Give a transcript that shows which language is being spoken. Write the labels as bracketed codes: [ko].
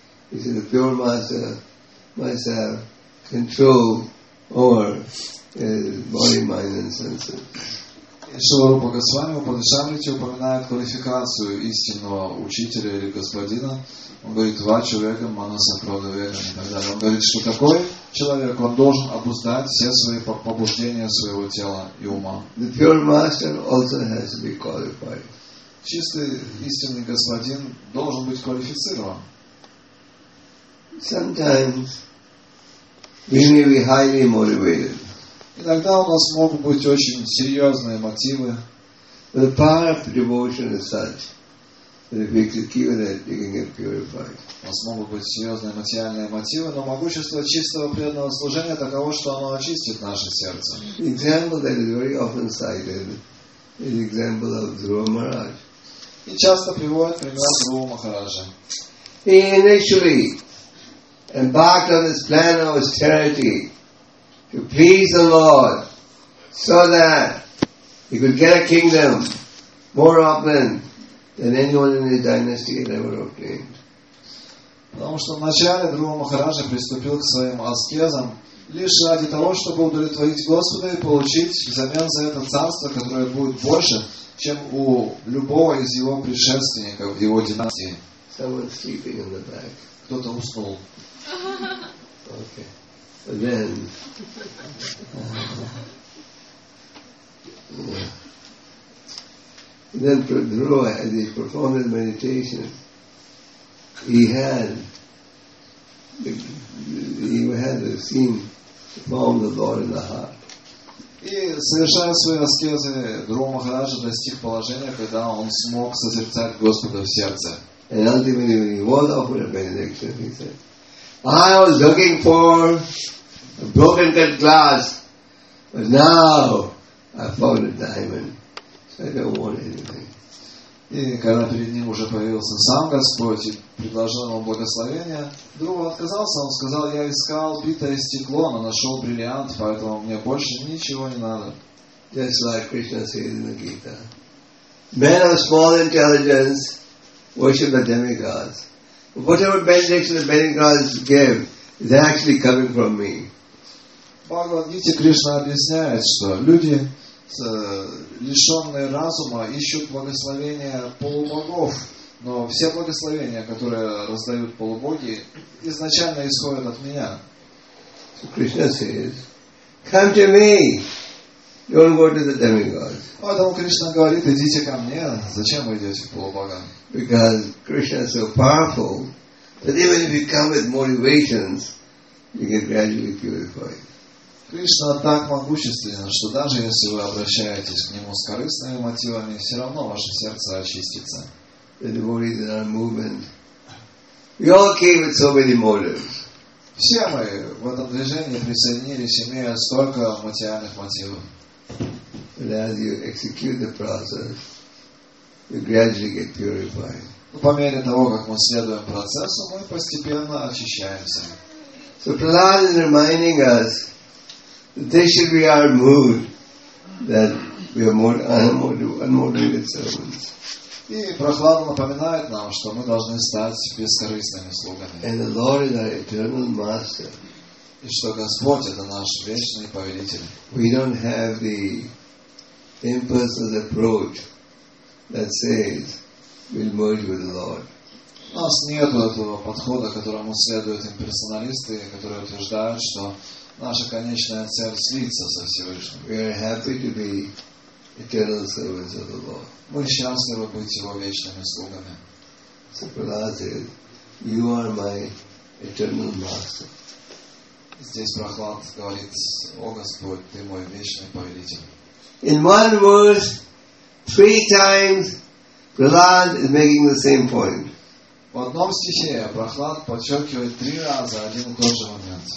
[en] He says, the pure master must have control over body, mind, and senses. [ru] Шрила Рупа Госвами в Упанишадите упоминает квалификацию истинного учителя или господина. Он говорит, два человека, манаса, прода, вега, и так далее. Он говорит, что такой человек, он должен обуздать все свои побуждения своего тела и ума. [en] The pure master also has to be qualified. [ru] Чистый истинный господин должен быть квалифицирован. [en] Sometimes we may be highly motivated. [ru] Иногда у нас могут быть очень серьезные мотивы. [en] The power of devotion is such that if you keep it, you can get purified. [ru] У нас могут быть серьезные материальные мотивы, но могущество чистого преданного служения таково, что оно очистит наше сердце. [en] Example that is very often cited is example of Dhruva Maharaj. [ru] И часто приводят пример Дхрува Махараджа. [en] He initially embarked on his plan of austerity to please the Lord so that he could get a kingdom more often than anyone in his dynasty had ever obtained. [ru] Потому что вначале Дхрува Махараджа приступил к своим аскезам лишь ради того, чтобы удовлетворить Господа и получить взамен за это царство, которое будет больше, чем у любого из его предшественников в его династии. [en] Someone sleeping in the back. [ru] Кто-то уснул. [en] Okay. And then, then Dhruva, as he performed his meditation, he had the scene, the form of the Lord in the heart. [ru] И совершая свои аскезы, Дхрува Махараджа достиг положения, когда он смог созерцать Господа в сердце. [en] And ultimately, when he was offered a benediction, he said, "I was looking for a broken cut glass, but now I found a diamond, so I don't want anything." [ru] И когда перед ним уже появился сам Господь и предложил ему благословение, Дхрува отказался. Он сказал: "Я искал битое стекло, но нашел бриллиант, поэтому мне больше ничего не надо." [en] Just like Krishna says in the Gita, Men of small intelligence worship the demigods. Whatever benediction the demigods give, they're actually coming from me. [ru] Bhagavad Gita Krishna объясняет, что люди, лишенные разума, ищут благословения полубогов. Но все благословения, которые раздают полубоги, изначально исходят от меня. [en] So Krishna says, come to me. Don't go to the demigods. [ru] Поэтому Кришна говорит, идите ко мне. Зачем вы идете к полубогам? [en] Because Krishna is so powerful that even if you come with motivations, you get gradually purified. [ru] Кришна так могущественен, что даже если вы обращаетесь к нему с корыстными мотивами, все равно ваше сердце очистится. [en] The devotees in our movement. We all came with so many motives. [ru] Все мы в этом движении присоединились, имея столько материальных мотивов. [en] But as you execute the process, you gradually get purified. [ru] По мере того, как мы следуем процессу, мы постепенно очищаемся. [en] So Prahlad is reminding us that this should be our mood, that we are more unmotivated servants. [ru] И Прохлада напоминает нам, что мы должны стать бескорыстными слугами. [en] And the Lord is our eternal master. [ru] И что Господь — это наш вечный повелитель. [en] We don't have the impulsive approach that says we'll merge with the Lord. [ru] У нас нет этого подхода, которому следуют имперсоналисты, которые утверждают, что наша конечная цель — слиться со Всевышним. [en] We are happy to be eternal servants of the Lord. [ru] Мы счастливы быть Его вечными слугами. [en] So Prahlad said, you are my eternal master. [ru] Здесь Прохлад говорит, о Господь, Ты мой вечный повелитель. [en] In one verse, three times, Prahlad is making the same point. [ru] В одном стихе Прохлад подчеркивает три раза один и тот же момент.